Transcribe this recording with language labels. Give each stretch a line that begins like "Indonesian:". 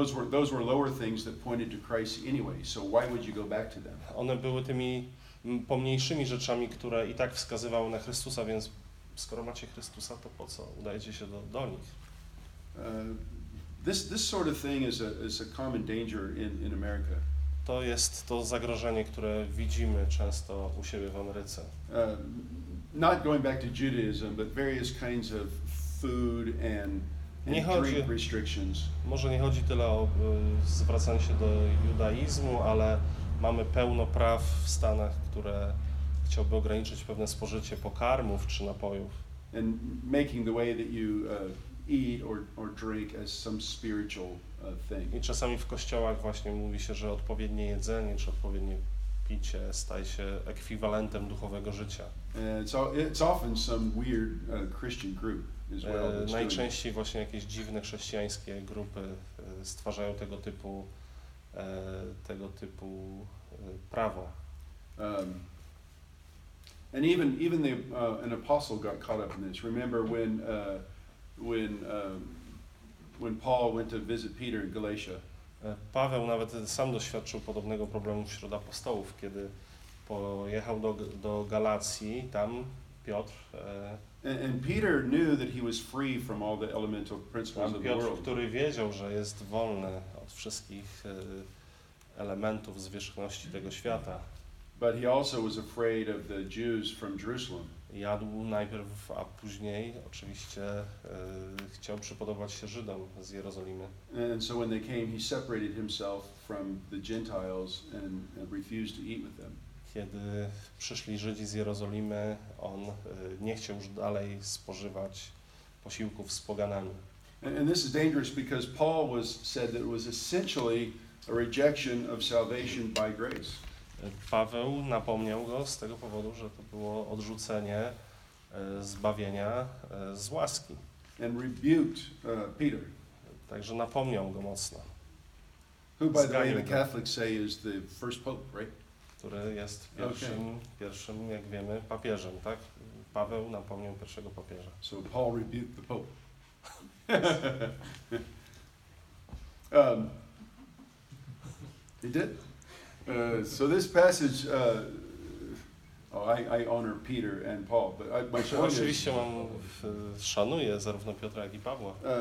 English: Those were lower things that pointed to Christ anyway. So why would you go back to them?
Polish: One były tymi pomniejszymi rzeczami, które i tak wskazywały na Chrystusa, więc skoro macie Chrystusa, to po co udajecie się do nich?
English: This sort of thing is a common danger in America.
Polish: To jest to zagrożenie, które widzimy często u siebie w Ameryce.
English: Not going back to Judaism, but various kinds of food and drink restrictions.
Polish: Może nie chodzi tyle o zwracanie się do judaizmu, ale mamy pełno praw w Stanach, które chciałby ograniczyć pewne spożycie pokarmów czy napojów.
English: And making the way that you eat or drink as some spiritual thing.
Polish: I czasami w kościołach właśnie mówi się, że odpowiednie jedzenie czy odpowiednie picie staje się ekwiwalentem duchowego życia.
English: It's often some weird Christian group.
Polish: Najczęściej właśnie jakieś dziwne chrześcijańskie grupy stwarzają tego typu prawo.
English: And even the an apostle got caught up in this. Remember when Paul went to visit Peter in Galatia.
Polish: Paweł nawet sam doświadczył podobnego problemu wśród apostołów, kiedy pojechał do Galacji, tam Piotr.
English: And Peter knew that he was free from all the elemental principles of the world.
Polish: Piotr, który wiedział, że jest wolny od wszystkich elementów zwierzchności tego świata.
English: But he also was afraid of the Jews from Jerusalem.
Polish: Jadł najpierw, a później oczywiście chciał przypodobać się Żydom z Jerozolimy.
English: And so when they came, he separated himself from the Gentiles and refused to eat with them.
Polish: Kiedy przyszli Żydzi z Jerozolimy, on nie chciał już dalej spożywać posiłków z poganami.
English: And this is dangerous because Paul was said that it was essentially a rejection of salvation by grace.
Polish: Paweł napomniał go z tego powodu, że to było odrzucenie zbawienia z łaski.
English: And rebuked Peter.
Polish: Także napomniał go mocno.
English: Who, by the way, the Catholics say is the first pope, right?
Polish: Który jest pierwszym, jak wiemy, papieżem, tak? Paweł napomniał pierwszego papieża.
English: So Paul rebuked the pope. he did. So this passage, I honor Peter and Paul, but my point is.
Polish: Oczywiście mam, szanuję zarówno Piotra, jak i Pawła.